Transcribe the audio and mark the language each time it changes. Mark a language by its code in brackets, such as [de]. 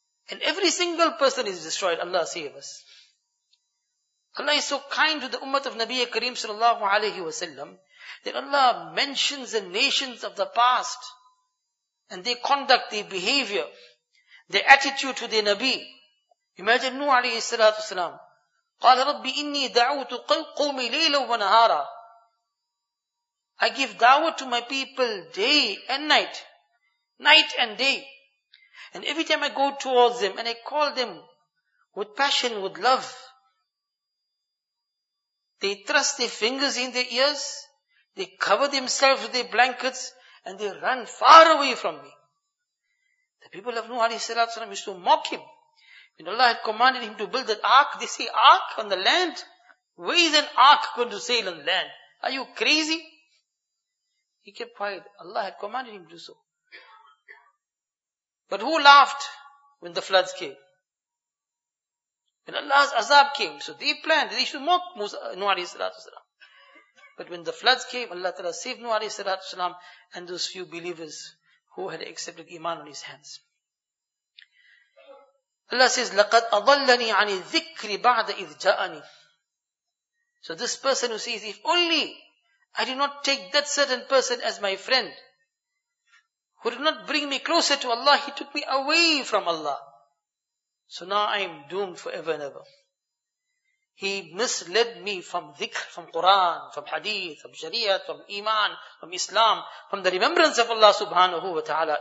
[en] And every single person is destroyed. Allah save us. Allah is so kind to the ummah of Nabiya Kareem sallallahu alayhi wa sallam. That Allah mentions the nations of the past. And they conduct their behavior. Their attitude to their Nabi. Imagine Nuh alayhi salatu salam. [ar] قال ربي إني دعوت قومي ليلا ونهارا. [en] I give da'wah to my people day and night. Night and day. And every time I go towards them and I call them with passion, with love, they thrust their fingers in their ears, they cover themselves with their blankets, and they run far away from me. The people of Nuh alayhi salatu salam used to mock him. When Allah had commanded him to build that ark, they say, ark on the land? Where is an ark going to sail on land? Are you crazy? He kept quiet. Allah had commanded him to do so. But who laughed when the floods came? When Allah's azab came, so they planned, they should mock Musa, Nuh alayhi salatu wasalam. But when the floods came, Allah ta'ala saved Nuh alayhi salatu wasalam and those few believers who had accepted Iman on his hands. Allah says, [ar] لَقَدْ أَضَلَّنِي عَنِ الذِّكْرِ بَعْدَ إِذْ جَاءَنِي. [en] So this person who says, if only I did not take that certain person as my friend, who did not bring me closer to Allah, he took me away from Allah. So now I am doomed forever and ever. He misled me from dhikr, from Quran, from hadith, from sharia, from iman, from Islam, from the remembrance of Allah subhanahu wa ta'ala.